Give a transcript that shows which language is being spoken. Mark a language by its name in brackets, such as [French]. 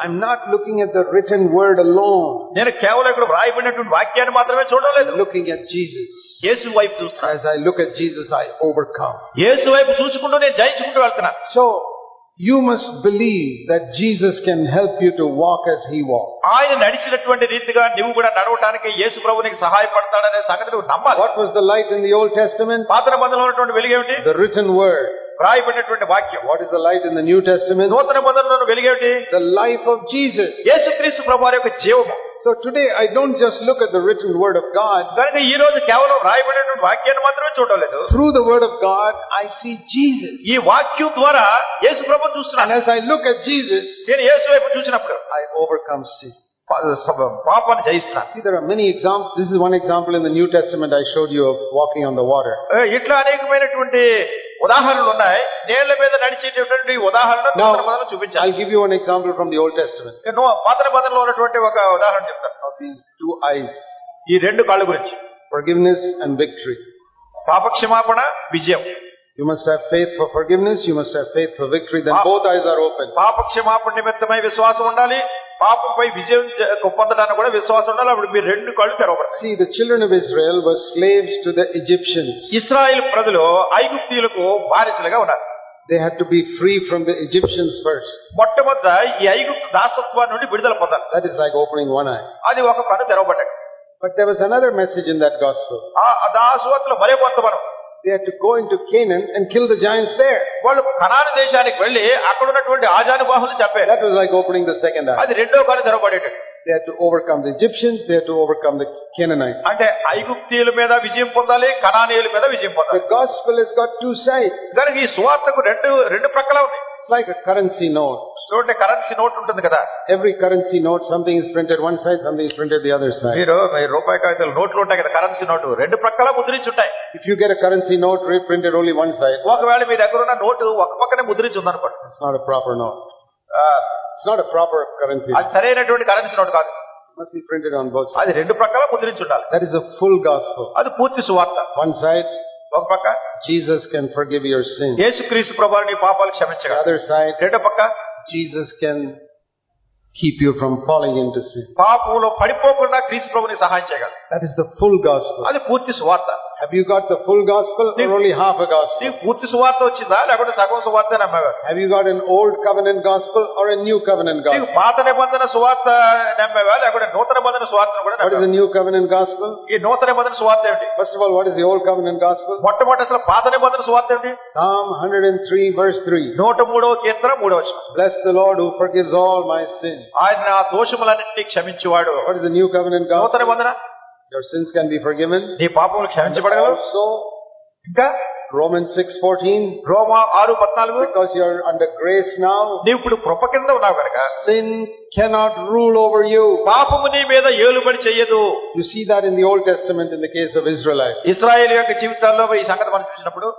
[English] I'm not looking at the written word alone. [Telugu] నేను కేవలం ఇక్కడ వ్రాయబడినటువంటి వాక్యాన్ని మాత్రమే చూడలేదు. [English] Looking at Jesus. [Telugu] యేసు వైపు చూస్తున్నాను. [English] As I look at Jesus, I overcome. [Telugu] యేసు వైపు చూసుకుంటూ నేను జయించుకుంటూ వెళ్తున్నాను. [English] So you must believe that Jesus can help you to walk as he walked. [Telugu] ఆయన నడిచినటువంటి రీతిగా నువ్వు కూడా నడవడానికి యేసు ప్రభువు నీకు సహాయపడతాడనే సంగతి నువ్వు నమ్మాలి. [English] What was the light in the Old Testament? [Telugu] పాత నిబంధనలో ఉన్నటువంటి వెలుగు ఏంటి? [English] The written word. [Telugu] వ్రాయబడినటువంటి వాక్యం. [English] What is the light in the New Testament? [Telugu] నూతన నిబంధనలో వెలుగు ఏంటి? [English] The life of Jesus. [Telugu] యేసుక్రీస్తు ప్రభువారి యొక్క జీవము. [English] So today I don't just look at the written word of God. [Telugu] కానీ ఈ రోజు కేవలం రాయబడినటువంటి వాక్యాన్ని మాత్రమే చూడలేదు. [English] Through the word of God I see Jesus. [Telugu] ఈ వాక్యం ద్వారా యేసు ప్రభు చూస్తున్నాను. [English] As I look at Jesus, [Telugu] నేను యేసు వైపు చూసినప్పుడు [English] I overcome sin. [Telugu] పాపాన్ని జయిస్తున్నాను. [English] See, there are many examples. This is one example in the New Testament I showed you of walking on the water. [Telugu] ఇట్లా అనేకమైనటువంటి ఉదాహరణలు ఉన్నాయి. నేల మీద నడిచేటటువంటి ఉదాహరణ మనం చూపించాలి. [English] I'll give you an example from the Old Testament. [Telugu] పాత నిబంధనలో ఉన్నటువంటి ఒక ఉదాహరణ చెప్తాను. [English] Of these two eyes. [Telugu] ఈ రెండు కళ్ళ గురించి. [English] Forgiveness and victory. [Telugu] పాపక్షమాపణ విజయం. [English] You must have faith for forgiveness, you must have faith for victory, then both eyes are open. [Telugu] పాపక్షమాపణ నిమిత్తమై విశ్వాసం ఉండాలి, పాపంపై విజయం పొందడానికి కూడా విశ్వాసం ఉండాలి. అప్పుడు మీరు రెండు కళ్ళు తెరవబడతాయి. [English] See, the children of Israel were slaves to the Egyptians. [Telugu] ఇశ్రాయేలు ప్రజలు ఐగుప్తీయులకు బానిసలుగా ఉన్నారు. [English] They had to be free from the Egyptians first. [Telugu] మొట్టమొదట ఈ ఐగుప్తు దాసత్వం నుండి విడుదల పొందాలి. [English] That is like opening one eye. [Telugu] అది ఒక కళ్ళు తెరవబడ్డాయి. [English] But there was another message in that gospel. [Telugu] ఆ దాసత్వం మరే కొంతమను. [English] They had to go into Canaan and kill the giants there. [Telugu] వాళ్ళు కనాను దేశానికి వెళ్లి అక్కడ ఉన్నటువంటి ఆజాను బాహులు చంపారు. [English] That was like opening the second eye. [Telugu] అది రెండో కళ్ళు తెరవబడేటట్టు. [English] They had to overcome the Egyptians, they had to overcome the Canaanites. [Telugu] అంటే ఐగుప్తీయుల మీద విజయం పొందాలి, కనానీయుల మీద విజయం పొందాలి. [English] The gospel has got two sides. [Telugu] దానికి ఈ సువార్తకు రెండు ప్రక్కలా ఉన్నాయి. [English] It's like a currency note. [Telugu] చూడండి, కరెన్సీ నోట్ ఉంటుంది కదా. [English] Every currency note, something is printed one side, something is printed the other side. [Telugu] మీరు మీ రూపాయి కాగితాలు నోట్లు ఉంటాయి కదా, కరెన్సీ నోట్ రెండు ప్రక్కలా ముద్రించి ఉంటాయి. [English] If you get a currency note reprinted only one side. [Telugu] ఒకవేళ మీ దగ్గర ఉన్న నోటు ఒక పక్కనే ముద్రించి ఉందనుకోండి. [English] It's not a proper note. It's not a proper currency. [Telugu] అది సరైనటువంటి కరెన్సీ నోట్ కాదు. [English] Must be printed on both sides. [Telugu] అది రెండు ప్రక్కలా ముద్రించి ఉండాలి. [English] That is a full gospel. [Telugu] అది పూర్తి సువార్త. [English] One side. [Telugu] ఒక పక్క [English] Jesus can forgive your sins. [Telugu] యేసుక్రీస్తు ప్రభువు నీ పాపాలు క్షమించగలడు. [English] Other side. [Telugu] రెండో పక్క [English] Jesus can keep you from falling into sin. [Telugu] పాపములో పడిపోకుండా క్రీస్తు ప్రభువు నీ సహాయం చేయగలడు. [English] That is the full gospel. [Telugu] అది పూర్తి సువార్త. [English] Have you got the full gospel or only half a gospel? [Telugu] నీకు పూర్తి సువార్త వచ్చిందా లేకపోతే సగం సువార్త నమ్మావా? [English] Have you got an old covenant gospel or a new covenant gospel? [Telugu] నీకు పాత నిబంధన సువార్త నమ్మావా లేకపోతే నూతన నిబంధన సువార్త కూడా నమ్మావా? [English] What is the new covenant gospel? [Telugu] ఈ నూతన నిబంధన సువార్త ఏంటి? [English] First of all, what is the old covenant gospel? [Telugu] మొట్టమొదట అసలు పాత నిబంధన సువార్త ఏంటి? [English] Psalm 103 verse 3. [Telugu] 103వ కీర్తన 3వ వచనం. [English] Bless the Lord who forgives all my sins. [Telugu] ఆయన నా దోషములన్నిటిని క్షమించువాడు. [English] What is the new covenant gospel? [Telugu] నూతన నిబంధన. [English] Your sins can be forgiven. [Telugu] నీ పాపములు క్షమించబడగలవు. [English] So, [Telugu] ఇంకా [English] Romans 6:14. [Telugu] Roma 6:14. [English] Because you are under grace now. [Telugu] నీవు ఇప్పుడు కృప కింద ఉన్నావు కనుక. [English] Sin cannot rule over you. [Telugu] పాపము నీ మీద ఏలుబడి చేయదు. [English] You see that in the Old Testament in the case of Israelites. [Telugu] ఇశ్రాయేలు యొక్క జీవితాల్లో ఈ సంగతి మనం చూసినప్పుడు.